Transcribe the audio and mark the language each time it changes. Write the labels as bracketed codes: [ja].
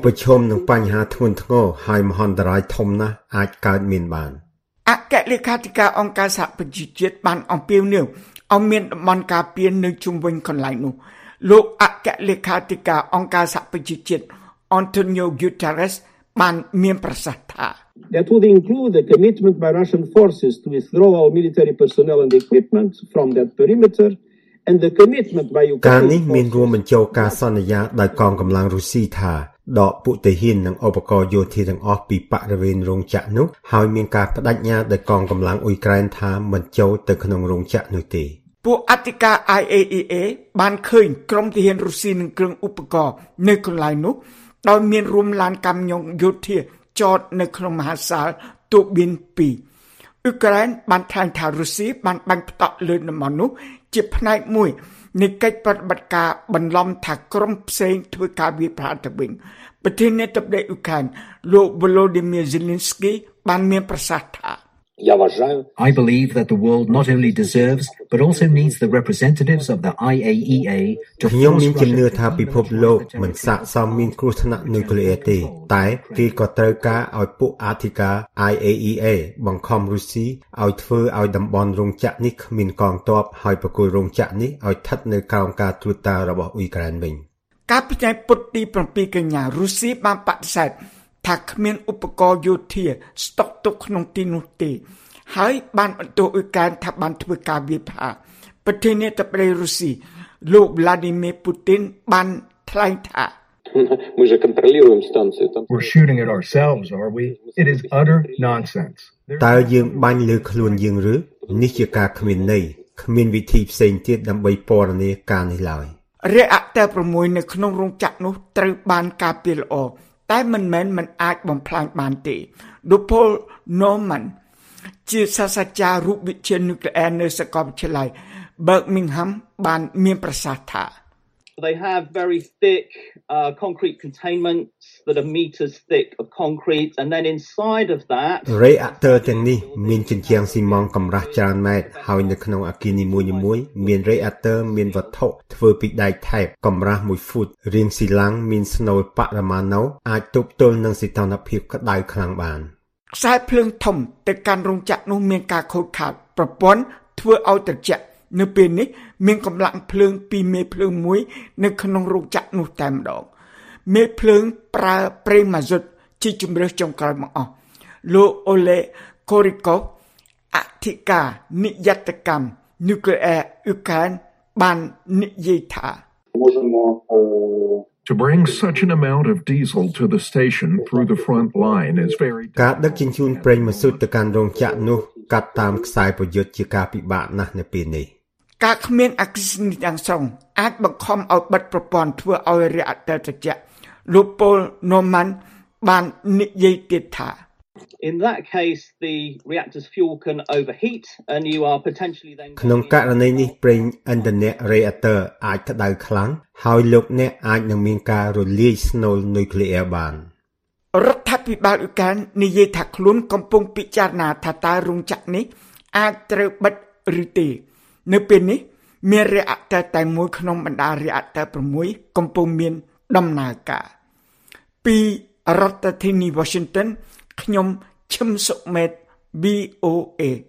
[km] ប្រឈមនឹងបញ្ហាធ្ងន់ធ្ងរហើយមហន្តរាយធំណាស់អាចកើតមានបាន អគ្គលេខាធិការអង្គការសហប្រជាជាតិបានអំពាវនាវឲ្យមានតំបន់ការពារនៅជុំវិញកន្លែងនោះលោកអគ្គលេខាធិការអង្គការសហប្រជាជាតិ Antonio Guterres បានមានប្រសាសន៍ថា [en] That would include the commitment by Russian forces to withdraw all military personnel and equipment from that perimeter and the commitment by Ukraine [km] ការនេះមានរួមបញ្ចូលការសន្យាដោយកងកម្លាំងរុស្ស៊ីថាដកពួកទាហាននិងឧបករណ៍យោធាទាំងអស់ពីបរិវេណរោងចក្រនោះហើយមានការបដិញ្ញាដោយកងកម្លាំងអ៊ុយក្រែនថាមិនចូលទៅក្នុងរោងចក្រនោះទេ ពួកអធិការ IAEA បានឃើញក្រុមទាហានរុស្ស៊ីនិងគ្រឿងឧបករណ៍នៅកន្លែងនោះដោយមានរួមឡានកាំយ៉ុងយោធាចតនៅក្នុងមហាសាលទូប៊ីន2អ៊ុយក្រែនបានថ្លែងថារុស្ស៊ីបានបាញ់ផ្ទក់លើតំបន់នោះជាផ្នែកមួយនៃកិច្ចប្រតិបត្តិការបន្លំថាក្រុមផ្សេងធ្វើការវាយប្រហារទៅវិញប្រធានាធិបតីអ៊ុក្រែនលោក Volodymyr Zelensky បានមានប្រសាសន៍ថា [en] I believe that the world not only deserves but also needs the representatives of the IAEA to [km] ខ្ញុំមានជំនឿថាពិភពលោកមិនស័ក្តិសមមានគ្រោះថ្នាក់នុយក្លេអ៊ែរទេតែគេក៏ត្រូវការឲ្យពួកអធិការ IAEA បង្ខំរុស្ស៊ីឲ្យធ្វើឲ្យតំបន់រោងចក្រនេះគ្មានកងទ័ពហើយប្រគល់រោងចក្រនេះឲ្យស្ថិតនៅក្រោមការត្រួតត្រារបស់អ៊ុយក្រែនវិញ កាលពីថ្ងៃពុធទី7កញ្ញារុស្ស៊ីបានបដិសេធថាគ្មានឧបករណ៍យោធាស្តុកទុកក្នុងទីនោះទេហើយបានបន្ទោសអ៊ុយក្រែនថាបានធ្វើការវាយប្រហារប្រធានាធិបតីរុស្ស៊ីលោក Vladimir Putin បានថ្លែងថា តើយើងបាញ់លើខ្លួនយើងឬនេះជាការគ្មានន័យគ្មានវិធីផ្សេងទៀតដើម្បីពណ៌នាការនេះឡើយ រាអតី6នៅក្នុងរោងចក្រនោះត្រូវបានការពារល្អតែមិនមែនមិនអាចបំផ្លាញបានទេដូប៉ូលណូម៉ាន់ជាសាស្ត្រាចារ្យរូបវិទ្យានុយក្លេអ៊ែរនៅសាកលវិទ្យាល័យបឺកមីងហាំបានមានប្រសាសន៍ថា [en] They have very thick concrete containments that are meters thick of concrete and then inside of that [km] រេអាក់ទ័រទាំងនេះមានជញ្ជាំងស៊ីម៉ង់កម្រាស់ច្រើនម៉ែត្រហើយនៅក្នុងអគារនីមួយៗមានរេអាក់ទ័រមានវត្ថុធ្វើពីដែកថែបកម្រាស់1ហ្វូតរាងស៊ីឡាំងមានស្នូលបរិមាណណូអាចទប់ទល់នឹងសីតុណ្ហភាពក្តៅខ្លាំងបាន ខ្សែភ្លើងធំទៅកាន់រោងចក្រនោះមានការខូចខាតប្រព័ន្ធធ្វើឲ្យត្រជាក់នៅពេលនេះមានកម្លាំងភ្លើងពីមេភ្លើងមួយនៅក្នុងរោងចក្រនោះតែម្ដងមេភ្លើងប្រើប្រេងម៉ាស៊ូតជាជម្រើសចុងក្រោយបង្អស់លោកអូឡេកូរីកូវអធិការនិយ័តកម្មនុយក្លេអ៊ែរអ៊ុក្រែនបាននិយាយថា [en] To bring such an amount of diesel to the station through the front line is very difficult. [km] ការដឹកជញ្ជូនប្រេងម៉ាស៊ូតទៅកាន់រោងចក្រនោះកាត់តាមខ្សែប្រយុទ្ធជាការពិបាកណាស់នៅពេលនេះ ការគ្មានអគ្គិសនីទាំងស្រុងអាចបង្ខំឲ្យបិទប្រព័ន្ធធ្វើឲ្យរាអតិត្រជាលោកប៉ូលណូម៉ាន់បាននិយាយទៀតថា [en] In that case the reactor's fuel can overheat and you are potentially then [km] ក្នុងករណីនេះប្រេងឥន្ធនៈរេអាទ័រអាចក្តៅខ្លាំងហើយលោកអ្នកអាចនឹងមានការរលាយស្នូលនុយក្លេអ៊ែរបាន រដ្ឋាភិបាលអ៊ុក្រែននិយាយថាខ្លួនកំពុងពិចារណាថាតើរោងចក្រនេះអាចត្រូវបិទឬទេនៅពេលនេះមានរេអាទ័រតែមួយក្នុងបណ្ដារេអាទ័រ6កំពុងមានដំណើរការពីរដ្ឋធានី Washingtonខ្ញុំឈឹមសុមេត BOA